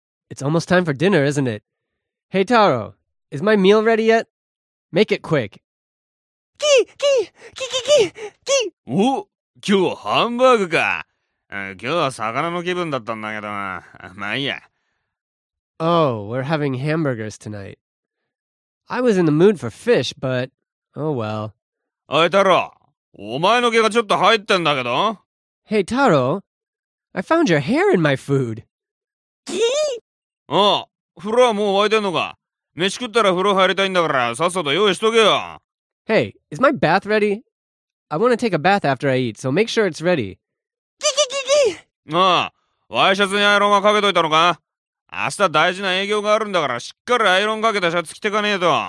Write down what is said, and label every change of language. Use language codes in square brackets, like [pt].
[en] It's almost time for dinner, isn't it? Hey Taro, is my meal ready yet? Make it quick. キーキーキーキーキ [ja] ー。 お、今日ハンバーグか。今日は魚の気分だったんだけどな。まあいいや。 [en] Oh, we're having hamburgers tonight. I was in the mood for fish, but oh well. [ja] おい太郎、お前の毛がちょっと入ってんだけど。 [en] Hey Taro, I found your hair in my food. キー。 [ja] あ、風呂はもう沸いてんのか？飯食ったら風呂入りたいんだからさっさと用意しとけよ。 [en] Hey, is my bath ready? I want to take a bath after I eat, so make sure it's ready. キキキキ。 [ja] ああ、ワイシャツにアイロンはかけといたのか？明日大事な営業があるんだからしっかりアイロンかけたシャツ着てかねえと。